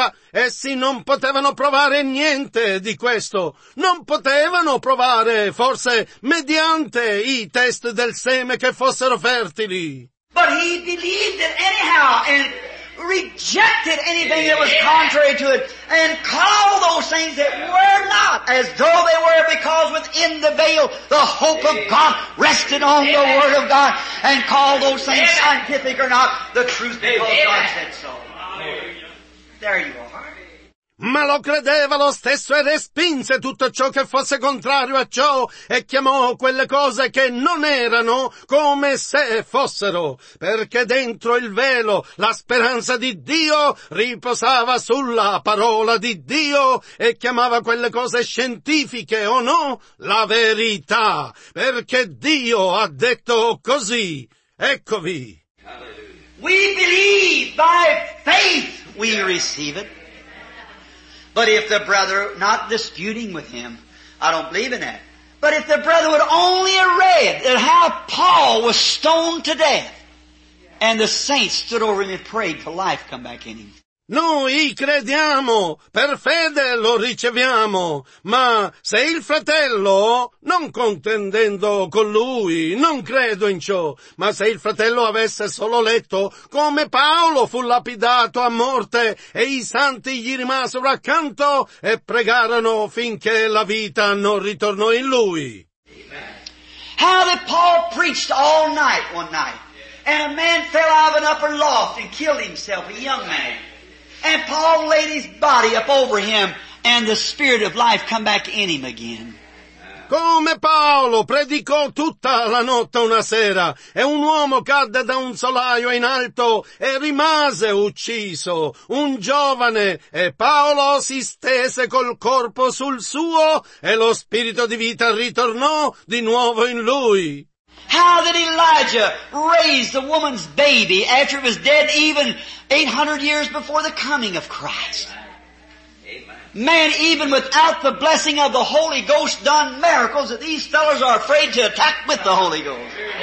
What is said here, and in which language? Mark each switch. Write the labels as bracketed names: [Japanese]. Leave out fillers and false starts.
[Italian] Essi non potevano provare niente di questo. Non potevano provare, forse, mediante i test del seme che fossero fertili. [English] But he believed it anyhow and rejected anything that was contrary to it, and called those things that were not as though they were, because within the veil the hope of God rested on the Word of God, and called those things scientific or not the truth, because God said so. There you are. [Italian] ma lo credeva lo stesso e respinse tutto ciò che fosse contrario a ciò e chiamò quelle cose che non erano come se fossero, perché dentro il velo la speranza di Dio riposava sulla parola di Dio e chiamava quelle cose scientifiche o no la verità, perché Dio ha detto così. Eccovi. [English] We believe by faith we receive it. But if the brother, not disputing with him, I don't believe in that. But if the brother would only have read how Paul was stoned to death and the saints stood over him and prayed for life come back in him. [Italian] Noi crediamo, per fede lo riceviamo, ma se il fratello, non contendendo con lui, non credo in ciò, ma se il fratello avesse solo letto come Paolo fu lapidato a morte e i santi gli rimasero accanto e pregarono finché la vita non ritornò in lui. [English] How did Paul preached all night one night, and a man fell out of an upper loft and killed himself, a young man. And Paul laid his body up over him, and the spirit of life come back in him again. [Italian] Come Paolo predicò tutta la notte una sera, e un uomo cadde da un solaio in alto e rimase ucciso, un giovane, e Paolo si stese col corpo sul suo, e lo spirito di vita ritornò di nuovo in lui. [English] How did Elijah raise the woman's baby after it was dead even 800 years before the coming of Christ? Man, even without the blessing of the Holy Ghost, done miracles that these fellows are afraid to attack with the Holy Ghost.